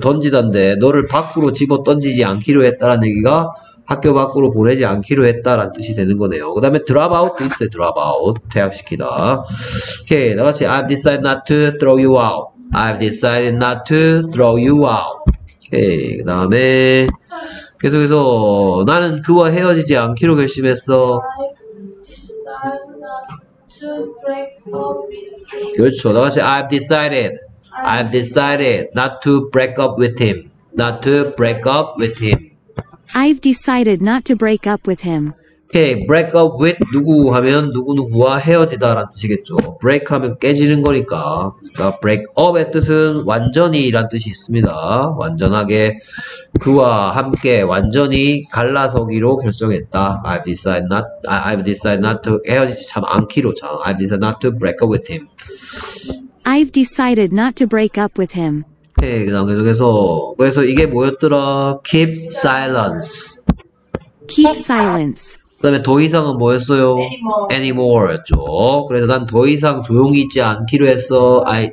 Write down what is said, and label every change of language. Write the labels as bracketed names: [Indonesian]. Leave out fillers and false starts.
[Korean] 던지던데, 너를 밖으로 집어던지지 않기로 했다라는 얘기가, 학교 밖으로 보내지 않기로 했다라는 뜻이 되는 거네요. 그 다음에 drop out도 있어요. drop out. 퇴학시키다. 오케이. 나같이 [English] I've decided not to throw you out. I've decided not to throw you out. 오케이. [Korean] 그 다음에 계속해서 나는 그와 헤어지지 않기로 결심했어. [English] I decided not to break with [Korean] 그렇죠. 나같이 [English] I've decided. I've decided not to break up with him. Not to break up with him. I've decided not to break up with him. Okay, break up with [Korean] 누구 하면 누구누구와 헤어지다라는 뜻이겠죠. Break 하면 깨지는 거니까. 그러니까 break up의 뜻은 완전히라는 뜻이 있습니다. 완전하게 그와 함께 완전히 갈라서기로 결정했다. [English] I've decided not to [Korean] 헤어지지 참 않기로 참. [English] I've decided not to break up with him. I've decided not to break up with him. [Korean] 네, 그다음 계속해서 그래서 이게 뭐였더라? [English] Keep silence. Keep silence. [Korean] 그 다음에 더 이상은 뭐였어요? [English] Anymore였죠. [Korean] 그래서 난 더 이상 조용히 있지 않기로 했어.